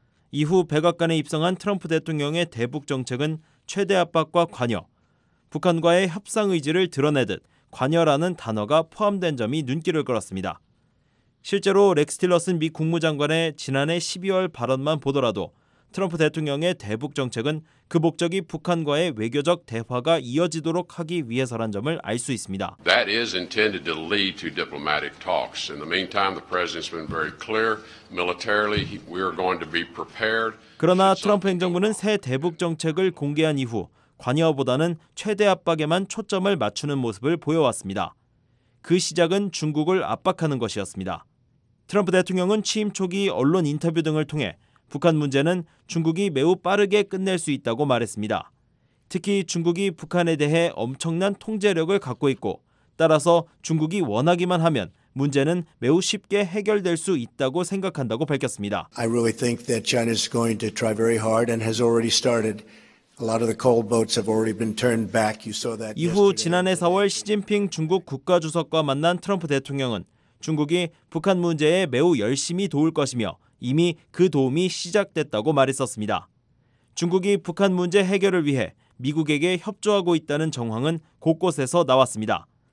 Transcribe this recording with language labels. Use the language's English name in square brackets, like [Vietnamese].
[Korean] 이후 백악관에 입성한 트럼프 대통령의 대북 정책은 최대 압박과 관여, 북한과의 협상 의지를 드러내듯 관여라는 단어가 포함된 점이 눈길을 끌었습니다. 실제로 렉스 틸러슨 미 국무장관의 지난해 12월 발언만 보더라도 트럼프 대통령의 대북 정책은 그 목적이 북한과의 외교적 대화가 이어지도록 하기 위해서란 점을 알 수 있습니다. [English] That is intended to lead to diplomatic talks. In the meantime, the president's been very clear. Militarily, we are going to be prepared. [Korean] 그러나 트럼프 행정부는 새 대북 정책을 공개한 이후 관여보다는 최대 압박에만 초점을 맞추는 모습을 보여왔습니다. 그 시작은 중국을 압박하는 것이었습니다. 트럼프 대통령은 취임 초기 언론 인터뷰 등을 통해 북한 문제는 중국이 매우 빠르게 끝낼 수 있다고 말했습니다. 특히 중국이 북한에 대해 엄청난 통제력을 갖고 있고 따라서 중국이 원하기만 하면 문제는 매우 쉽게 해결될 수 있다고 생각한다고 밝혔습니다. [English] I really think that China is going to try very hard and has already started. A lot of the coal boats have already been turned back. You saw that. [Korean] 이후 지난해 4월 시진핑 중국 국가주석과 만난 트럼프 대통령은 중국이 북한 문제에 매우 열심히 도울 것이며 이미 그 도움이 시작됐다고 말했었습니다. 중국이 북한 문제 해결을 위해 미국에게 협조하고 있다는 정황은 곳곳에서 나왔습니다.